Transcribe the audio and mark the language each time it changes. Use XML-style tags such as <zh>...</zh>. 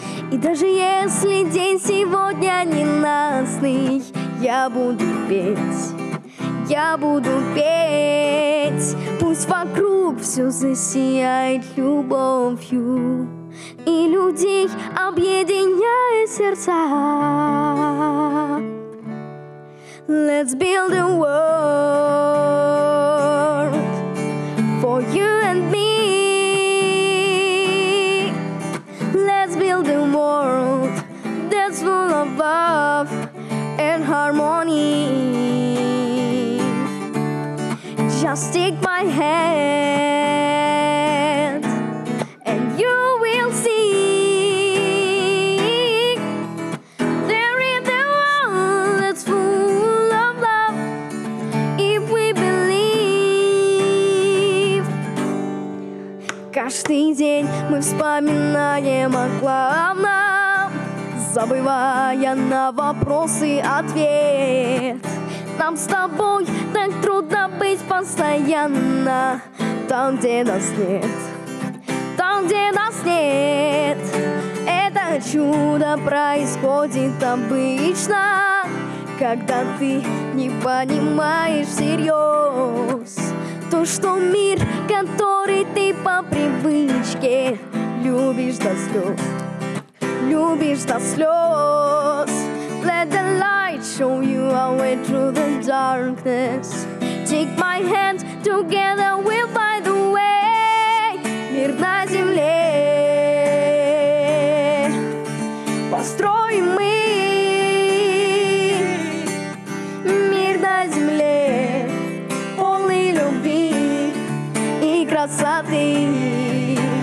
<ru>И даже если день сегодня ненастный, я буду петь, я буду петь. Пусть вокруг все засияет любовью, и людей объединяет сердца.</ru> <en>Let's build a world for you and me. Let's build a world that's full of love and harmony. Just take my hand and you will see. There is a world that's full of love if we believe.</en> <ru>Каждый день мы вспоминаем о главном, забывая на вопросы ответ. Нам с тобой так трудно быть постоянно там, где нас нет, там, где нас нет. Это чудо происходит обычно, когда ты не понимаешь всерьез то, что мир, который ты по привычке любишь до слез, любишь до слез.</ru> <en>Let the light show you our way through the darkness. Take my hand, together we'll find the way.</en> <ru>Мир на земле построим мы. Мир на земле полный любви и красоты.</ru>